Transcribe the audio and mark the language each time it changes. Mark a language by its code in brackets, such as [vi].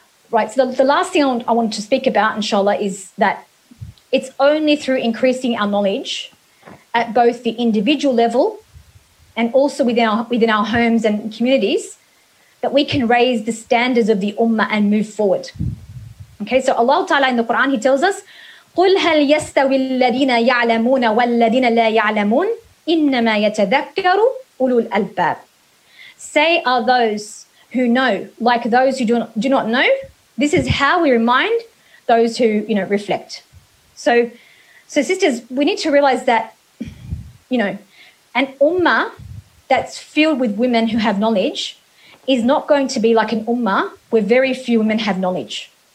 [en] Right, so the last thing I want to speak about, inshallah, is that it's only through increasing our knowledge at both the individual level and also within our homes and communities that we can raise the standards of the ummah and move forward. Okay, so Allah Ta'ala in the Quran, he tells us, [ar] قُلْ هَلْ يَسْتَوِي الَّذِينَ يَعْلَمُونَ وَالَّذِينَ لَا يَعْلَمُونَ إِنَّمَا يَتَذَكَّرُ أُولُو الْأَلْبَابِ. [en] Say, are those who know like those who do not know? This is how we remind those who, you know, reflect. So sisters, we need to realize that, you know, an ummah that's filled with women who have knowledge is not going to be like an ummah where very few women have knowledge.